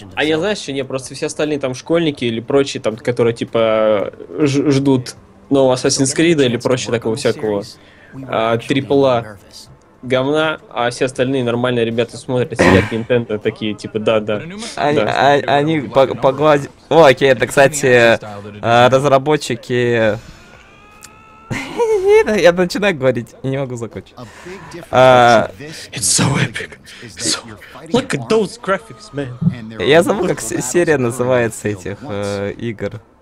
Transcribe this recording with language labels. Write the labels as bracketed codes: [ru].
[ru] А я знаешь, что не, просто все остальные там школьники или прочие там, которые типа ждут нового Assassin's Creed или проще такого всякого трипла говна, а все остальные нормальные ребята смотрят, сидят Nintendo такие, типа, да-да. Они погладили... О, окей, это, кстати, разработчики... Я начинаю говорить и не могу закончить. [en] It's so epic. So... Look at those graphics, man. [ru] Я забыл, как серия называется этих игр.